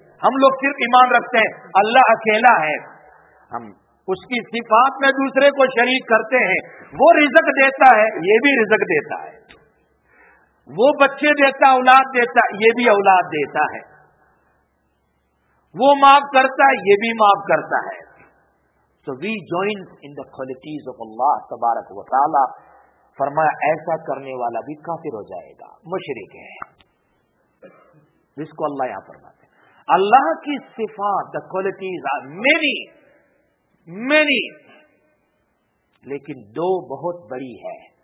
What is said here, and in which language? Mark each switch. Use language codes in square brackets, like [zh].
[ur] ہم لوگ صرف ایمان رکھتے ہیں اللہ اکیلا ہے, ہم اس کی صفات میں دوسرے کو شریک کرتے ہیں. وہ رزق دیتا ہے, یہ بھی رزق دیتا ہے. وہ بچے دیتا اولاد دیتا, یہ بھی اولاد دیتا ہے. وہ معاف کرتا ہے, یہ بھی معاف کرتا ہے. [en] So we join in the qualities of Allah تبارک و تعالی. [ur] فرمایا ایسا کرنے والا بھی کافر ہو جائے گا, مشرک ہے. جس کو اللہ یہاں فرماتے ہیں اللہ کی صفات, [en] the qualities are very many, [ur] لیکن دو بہت بڑی ہے.